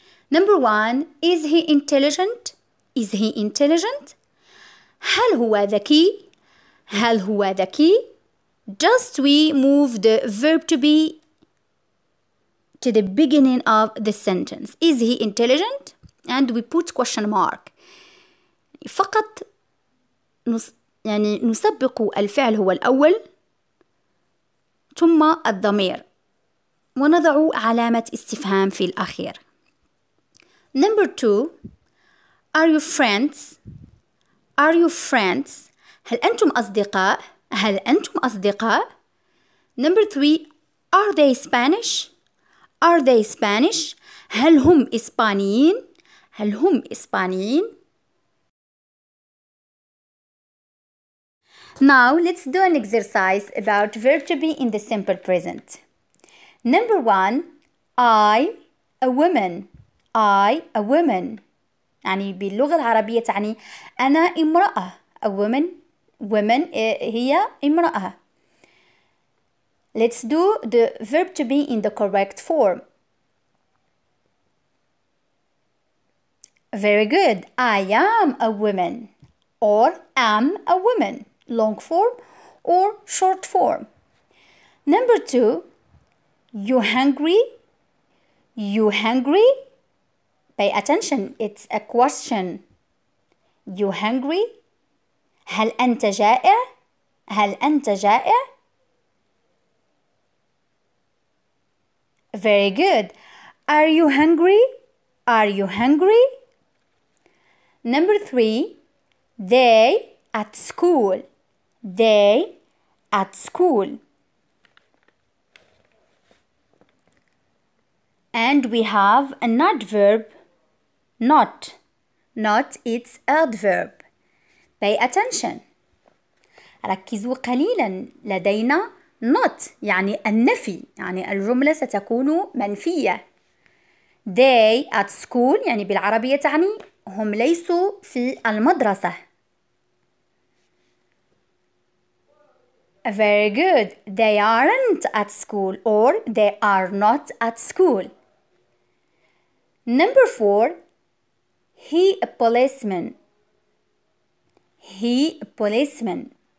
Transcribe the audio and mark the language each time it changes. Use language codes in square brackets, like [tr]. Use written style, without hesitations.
[en] Number one, is he intelligent? Is he intelligent? [ar] هل هو ذكي؟ هل هو ذكي؟ [en] Just we move the verb to be to the beginning of the sentence. Is he intelligent? And we put question mark. [ar] فقط يعني نسبق الفعل هو الأول ثم الضمير. ونضع علامة استفهام في الأخير. [en] Number two, are you friends? Are you friends? [ar] هل أنتم أصدقاء؟ هل أنتم أصدقاء؟ [en] Number three, are they Spanish? Are they Spanish? [ar] هل هم إسبانيين؟ هل هم إسبانيين؟ [en] Now let's do an exercise about verb to be in the simple present. Number one, I, a woman. I, a woman. [ar] يعني باللغة العربية تعني أنا امرأة. [en] A woman, woman [ar] هي امرأة. [en] Let's do the verb to be in the correct form. Very good. I am a woman. Or am a woman. Long form or short form. Number two, you hungry? You hungry? Pay attention, it's a question. You hungry? [ar] هل أنت جائع؟ هل أنت جائع؟ [en] Very good. Are you hungry? Are you hungry? Number three, they at school. They at school. And we have an adverb, not. Not, it's adverb. Pay attention. [ar] ركزوا قليلا. لدينا not, يعني النفي. يعني الجملة ستكون منفية. [en] They at school, [ar] يعني بالعربية تعني هم ليسوا في المدرسة. [en] Very good. They aren't at school or they are not at school. Number four. He a policeman. He a policeman.